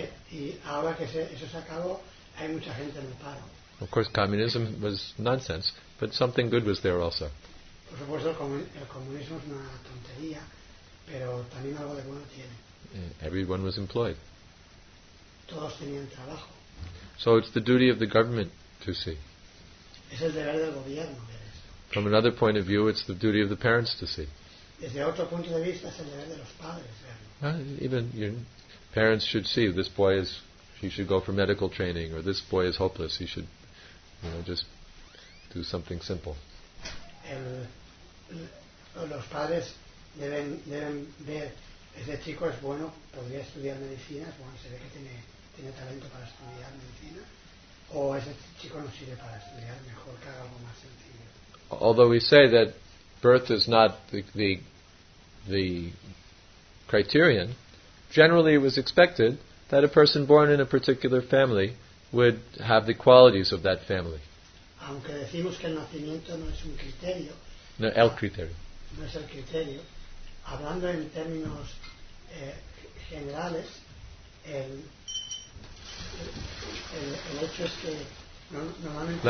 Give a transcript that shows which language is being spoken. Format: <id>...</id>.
<es>Y ahora que eso se acabó, hay mucha gente en el paro.</es> <en>Of course, communism was nonsense, but something good was there also.</en> <es>Por supuesto, el comunismo es una tontería, pero también algo de bueno tiene.</es> <en>Everyone was employed.</en> <es>Todos tenían trabajo.</es> <en>So it's the duty of the government to see.</en> <es>Es el deber del gobierno ver eso.</es> <en>From another point of view, it's the duty of the parents to see.</en> <es>Desde otro punto de vista, es el deber de los padres verlo.</es> <en>Even your parents should see this boy is. He should go for medical training, or this boy is hopeless. He should, you know, just do something simple.</en> <es>Los padres deben ver, ese chico es bueno, podría estudiar medicina, bueno, se ve que tiene talento para estudiar medicina, o ese chico no sirve para estudiar, mejor que haga algo más sencillo.</es> <en>Although we say that birth is not the criterion, generally it was expected that a person born in a particular family would have the qualities of that family.</en> <es>Aunque decimos que el nacimiento no es un criterio. No, el criterio. No es el criterio. Hablando en términos generales, el hecho es que normalmente</es>